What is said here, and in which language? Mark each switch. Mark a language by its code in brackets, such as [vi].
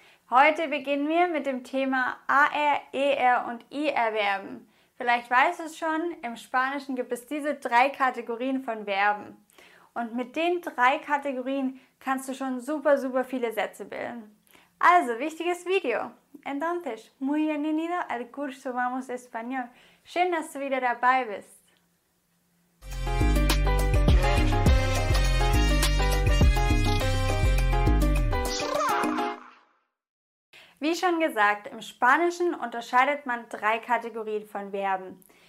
[de] Heute beginnen wir mit dem Thema AR, ER und IR Verben. Vielleicht weißt du es schon, im Spanischen gibt es diese drei Kategorien von Verben. Und mit den drei Kategorien kannst du schon super, super viele Sätze bilden. Also, wichtiges Video. [es] Entonces, muy bienvenido al curso Vamos Español. [de] Schön, dass du wieder dabei bist. Wie schon gesagt, im Spanischen unterscheidet man drei Kategorien von Verben.